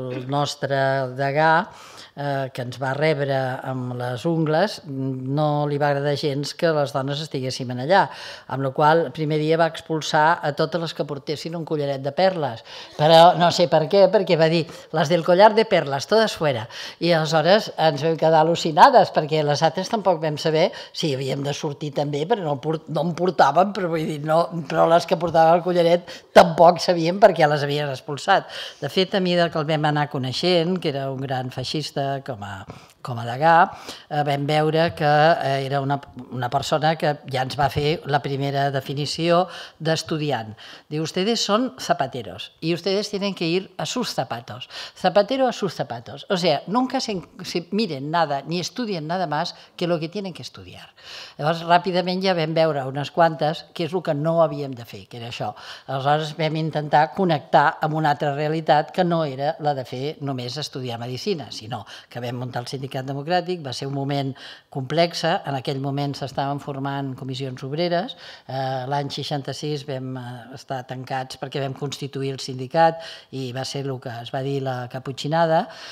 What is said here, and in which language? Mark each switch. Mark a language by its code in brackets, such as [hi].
[ca] nostre degà, que ens va rebre amb les ungles, no li va agradar gens que les dones estiguéssim allà, amb la qual cosa el primer dia va expulsar a totes les que portessin un collaret de perles, però no sé per què, perquè va dir les del collar de perles, totes fora, i aleshores ens vam quedar al·lucinades, perquè les altres tampoc vam saber si havíem de sortir també, però no en portàvem, però vull dir, no, però les que portaven el collaret tampoc sabíem per què les havien expulsat. De fet, a mesura que el vam anar coneixent, que era un gran feixista com a degà, vam veure que era una persona que ja ens va fer la primera definició d'estudiant. Diu, vostè [es] ustedes son zapateros y ustedes tienen que ir a sus zapatos, zapatero a sus zapatos. O sea, nunca se miren nada ni estudien nada más que lo que tienen que estudiar. [ca] Llavors, ràpidament ja vam veure unes quantes que és el que no havíem de fer, que era això. Aleshores, vam intentar connectar amb una altra realitat que no era la de fer només estudiar medicina, sinó que vam muntar el Sindicat Democràtic, va ser un moment complex. En aquell moment s'estaven formant comissions obreres. L'any 66 vam estar tancats perquè vam constituir el sindicat i va ser el que es va dir la caputxinada.